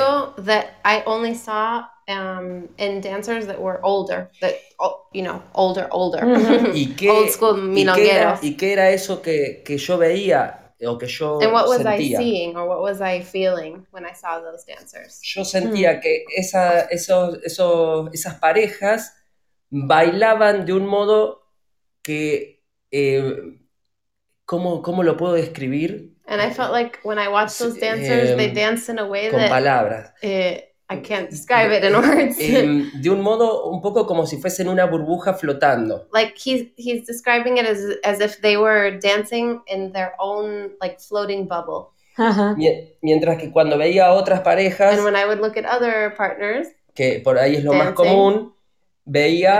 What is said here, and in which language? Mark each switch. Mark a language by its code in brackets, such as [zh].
[en] Tango that I only saw in dancers that were older, that, you know, older. [es] ¿Y qué, [en] old school milongueros. [es] ¿Y qué era eso que yo veía? O que yo [en] and what was [es] sentía. [en] I seeing or what was I feeling when I saw those dancers? [es] Yo sentía que esas parejas bailaban de un modo que ¿cómo lo puedo describir? [en] And I felt like when I watched those dancers, they danced in a way [es] con [en] that [es] palabras. [en] I can't describe it in words. [es] De un modo un poco como si fuesen una burbuja flotando. [en] Like he's describing it as if they were dancing in their own like floating bubble. [es] Mientras que cuando veía a otras parejas, [en] and when I would look at other partners, [es] que por ahí es lo [en] dancing, [es] más común, veía